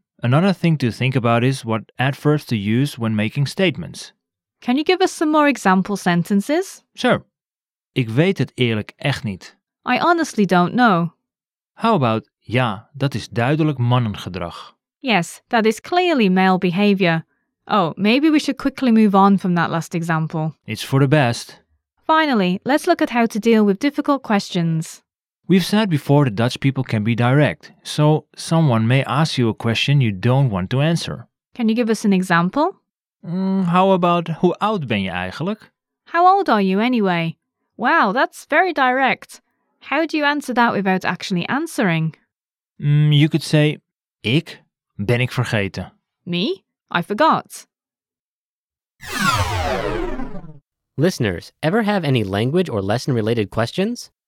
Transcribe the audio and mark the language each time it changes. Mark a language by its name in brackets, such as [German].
[English] Another thing to think about is what adverbs to use when making statements. Can you give us some more example sentences? Sure. [Dutch] Ik weet het eerlijk echt niet. [English] I honestly don't know. How about, [Dutch] ja, dat is duidelijk mannengedrag. [English] Yes, that is clearly male behavior. Oh, maybe we should quickly move on from that last example. It's for the best. Finally, let's look at how to deal with difficult questions. We've said before that Dutch people can be direct, so someone may ask you a question you don't want to answer. Can you give us an example? How about, [Dutch] hoe oud ben je eigenlijk? [English] How old are you anyway? Wow, that's very direct. How do you answer that without actually answering? You could say, [Dutch] ik ben ik vergeten. [English] Me? I forgot. Listeners, ever have any language or lesson-related questions?